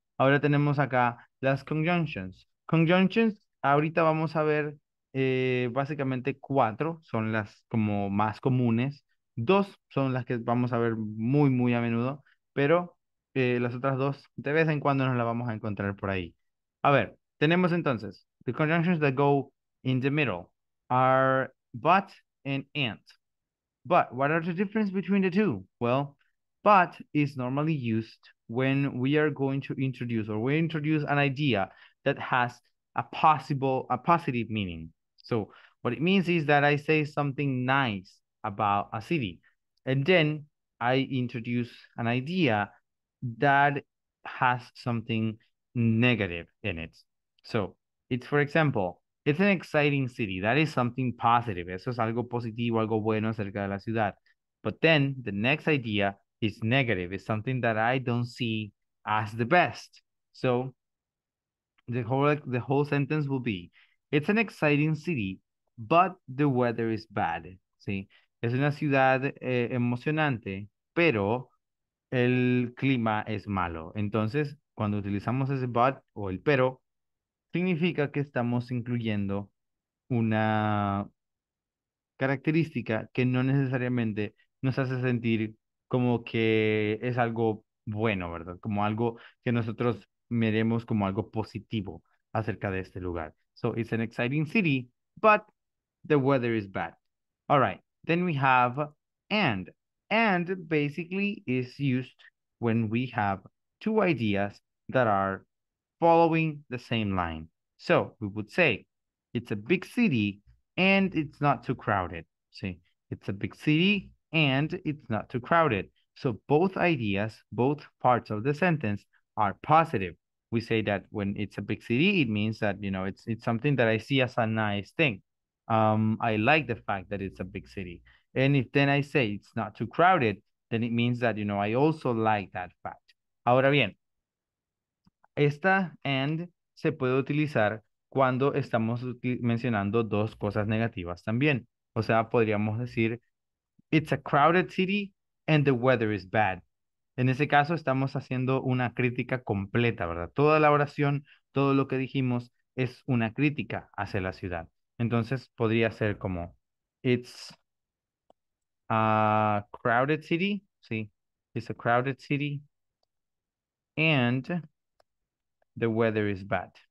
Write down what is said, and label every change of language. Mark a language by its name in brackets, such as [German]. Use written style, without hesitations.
[Spanish] Ahora tenemos acá las conjunctions. Conjunctions, ahorita vamos a ver básicamente cuatro, son las como más comunes. Dos son las que vamos a ver muy, muy a menudo, pero las otras dos, de vez en cuando nos las vamos a encontrar por ahí. A ver, tenemos entonces, [English] the conjunctions that go in the middle are but and and. But what are the differences between the two? Well, but is normally used when we are going to introduce, or we introduce an idea that has a positive meaning. So what it means is that I say something nice about a city, and then I introduce an idea that has something negative in it. So it's, for example, it's an exciting city. That is something positive. [Spanish] Eso es algo positivo, algo bueno acerca de la ciudad. [English] But then the next idea is negative. It's something that I don't see as the best. So the whole sentence will be, it's an exciting city, but the weather is bad. [Spanish] ¿Sí? Es una ciudad emocionante, pero el clima es malo. Entonces, cuando utilizamos ese but o el pero, significa que estamos incluyendo una característica que no necesariamente nos hace sentir como que es algo bueno, ¿verdad? Como algo que nosotros miremos como algo positivo acerca de este lugar. [English] So it's an exciting city, but the weather is bad. All right, then we have and. And basically is used when we have two ideas that are following the same line. So we would say it's a big city and it's not too crowded. See, it's a big city and it's not too crowded. So both ideas, both parts of the sentence are positive. We say that when it's a big city, it means that, you know, it's something that I see as a nice thing. I like the fact that it's a big city. And if then I say it's not too crowded, then it means that, you know, I also like that fact. [Spanish] Ahora bien, esta and se puede utilizar cuando estamos mencionando dos cosas negativas también. O sea, podríamos decir, [English] it's a crowded city and the weather is bad. [Spanish] En ese caso, estamos haciendo una crítica completa, ¿verdad? Toda la oración, todo lo que dijimos es una crítica hacia la ciudad. Entonces, podría ser como, [English] it's a crowded city. Sí, it's a crowded city. And the weather is bad.